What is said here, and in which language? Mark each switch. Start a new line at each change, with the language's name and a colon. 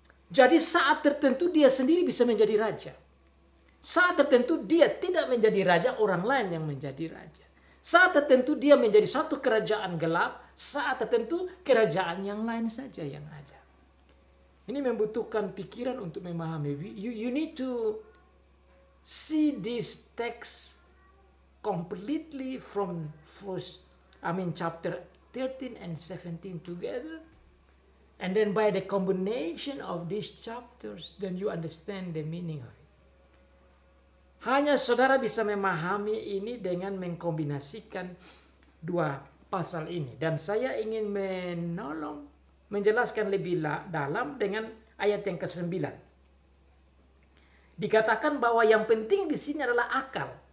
Indonesian: Jadi saat tertentu dia sendiri bisa menjadi raja. Saat tertentu dia tidak menjadi raja, orang lain yang menjadi raja. Saat tertentu dia menjadi satu kerajaan gelap, saat tertentu kerajaan yang lain saja yang ada. Ini membutuhkan pikiran untuk memahami.
English: You need to see this text completely from first, chapter 13 and 17 together. And then by the combination of these chapters, then you understand the meaning of it.
Indonesian: Hanya saudara bisa memahami ini dengan mengkombinasikan dua pasal ini. Dan saya ingin menolong, menjelaskan lebih dalam dengan ayat yang ke-9. Dikatakan bahwa yang penting di sini adalah akal.